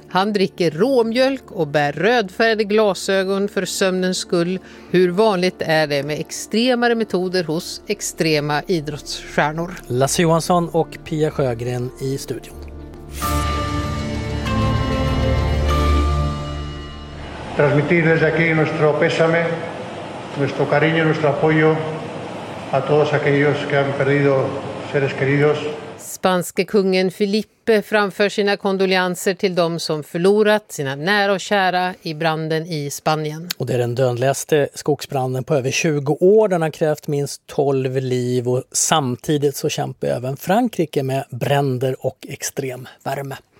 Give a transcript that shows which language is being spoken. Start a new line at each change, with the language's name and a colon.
Swedish: Han dricker råmjölk och bär rödfärgade glasögon för sömnens skull. Hur vanligt är det med extremare metoder hos extrema idrottsstjärnor? Lasse Johansson och Pia Sjögren i studion.
Spanish: Transmitir desde aquí nuestro pésame, nuestro cariño, nuestro apoyo a todos aquellos que han perdido seres queridos.
Swedish: Spanske kungen Felipe framför sina kondolenser till de som förlorat sina nära och kära i branden i Spanien. Och det är den dödligaste skogsbranden på över 20 år. Den har krävt minst 12 liv och samtidigt så kämpar även Frankrike med bränder och extrem värme.